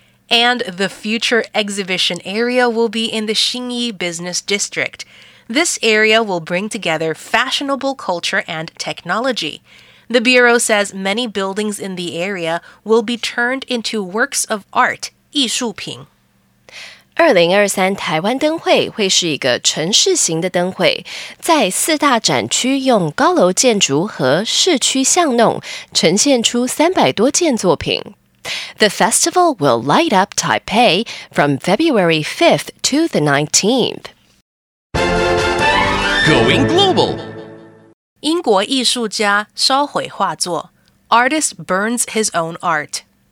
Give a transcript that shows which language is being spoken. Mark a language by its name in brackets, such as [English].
[English] And the future exhibition area will be in the Xinyi Business District. This area will bring together fashionable culture and technology. The Bureau says many buildings in the area will be turned into works of art, 艺术品。 [Chinese] 2023台湾灯会会是一个城市型的灯会，在四大展区用高楼建筑和市区巷弄呈现出300多件作品。 [English] The festival will light up Taipei from February 5th to the 19th. Going global. [Chinese] 英国艺术家烧毁画作 [English] Artist burns his own art.